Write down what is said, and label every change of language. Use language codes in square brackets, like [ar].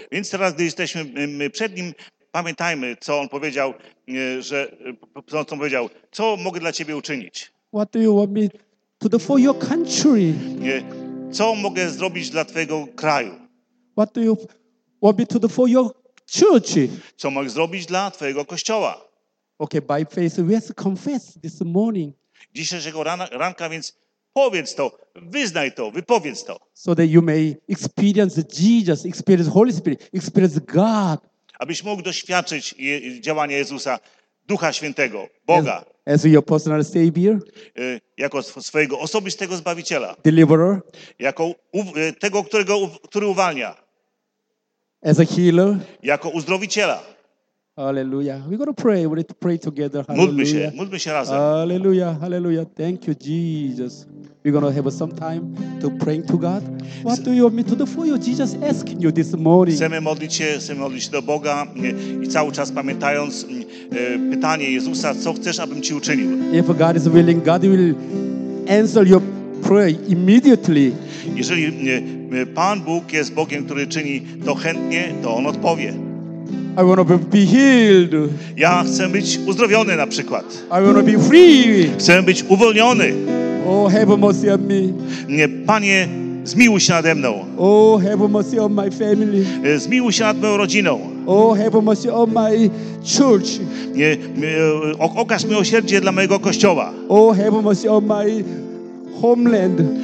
[pl] Więc teraz, gdy jesteśmy przed Nim, pamiętajmy, co On powiedział, że co powiedział, co mogę dla Ciebie uczynić? [en] What do you want me to do for your country? [pl] Co mogę zrobić dla Twojego kraju? [en] What do you want me to do for your church? [pl] Co mogę zrobić dla Twojego kościoła? [en] Okay, by faith, we have to confess this morning. [pl] Dzisiejszego ranka, więc powiedz to, wyznaj to, wypowiedz to. [en] So that you may experience Jesus, experience Holy Spirit, experience God. [pl] Abyś mógł doświadczyć działania Jezusa, Ducha Świętego, Boga. [en] As your personal savior, [pl] jako swojego osobistego Zbawiciela. [en] Deliverer, [pl] jako tego, który uwalnia. [en] As a healer, [pl] jako uzdrowiciela. [en] Hallelujah. We're going to pray. We're going to pray together. [pl] Módlmy się razem. [en] Hallelujah. Hallelujah. Thank you, Jesus. We're going to have some time to pray to God. What do you want me to do for you? Jesus asking you this morning. [pl] Chcemy modlić się do Boga i cały czas pamiętając pytanie Jezusa, co chcesz, abym ci uczynił. [en] If God is willing, God will answer your prayer immediately. [pl] Jeżeli Pan Bóg jest Bogiem, który czyni to chętnie, to On odpowie. [en] I want to be healed. [pl] Ja chcę być uzdrowiony na przykład. [en] I want to be free. [pl] Chcę być uwolniony. [en] Oh, have mercy on me. [pl] Nie, Panie, zmiłuj się nade mną. [en] Oh, have mercy on my family. [pl] Zmiłuj się nad moją rodziną. [en] Oh, have mercy on my church. [pl] Nie, okaż miłosierdzie dla mojego kościoła. [en] Oh, have mercy on my homeland.